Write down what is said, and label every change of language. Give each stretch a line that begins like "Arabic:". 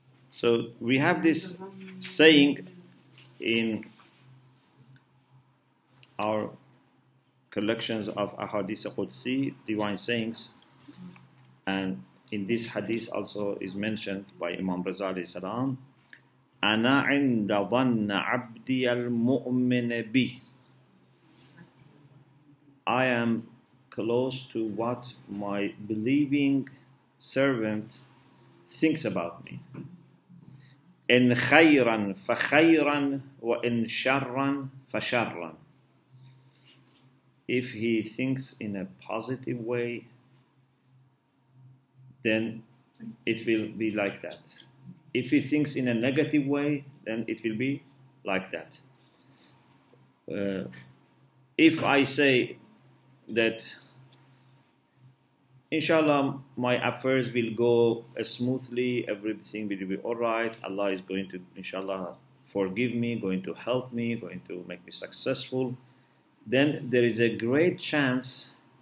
English: So we have this saying in our collections of Ahadith Qudsi, divine sayings, and in this hadith also is mentioned by Imam Raza alayhi salam,
Arabic: Ana inda dhanna abdi al-mu'mini bi.
English: I am close to what my believing servant thinks about me.
Arabic: إن خيرا فخيرا وإن شرا فشرا.
English: If he thinks in a positive way, then it will be like that. If he thinks in a negative way, then it will be like that. If I say that inshallah, my affairs will go smoothly, everything will be all right, Allah is going to, inshallah, forgive me, going to help me, going to make me successful, then there is a great chance,